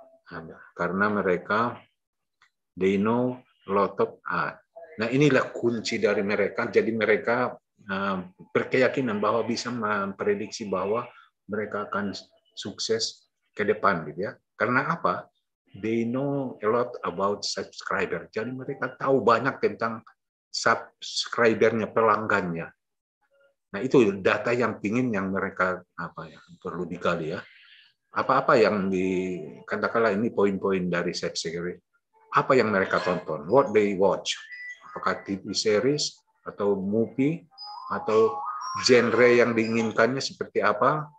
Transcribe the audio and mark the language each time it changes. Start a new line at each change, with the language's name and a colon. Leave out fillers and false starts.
Indonesian: Nah, karena mereka
English: they know lot of art.
Indonesian: Nah, inilah kunci dari mereka, jadi mereka berkeyakinan bahwa bisa memprediksi bahwa mereka akan sukses ke depan gitu ya. Karena apa?
English: They know a lot about subscriber.
Indonesian: Jadi mereka tahu banyak tentang subscribernya, pelanggannya. Nah, itu data yang pingin yang mereka apa ya, perlu digali ya. Apa-apa yang di katakanlah ini poin-poin dari subscriber. Apa yang mereka tonton?
English: What they watch?
Indonesian: Apakah TV series atau movie atau genre yang diinginkannya seperti apa?